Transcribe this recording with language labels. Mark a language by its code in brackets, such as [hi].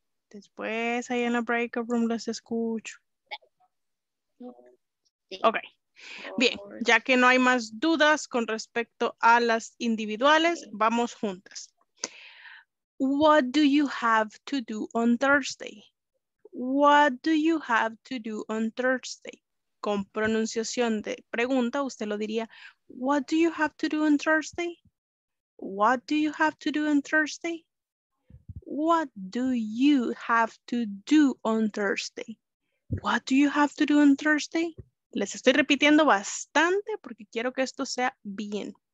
[es] Después ahí en la breakout room les escucho. Sí. Okay. Bien, ya que no hay más dudas con respecto a las individuales, okay, vamos juntas. [en] What do you have to do on Thursday? What do you have to do on Thursday? [es] Con pronunciación de pregunta, usted lo diría, [en] what do you have to do on Thursday? What do you have to do on Thursday? What do you have to do on Thursday? What do you have to do on Thursday? [es] Les estoy repitiendo bastante porque quiero que esto sea bien.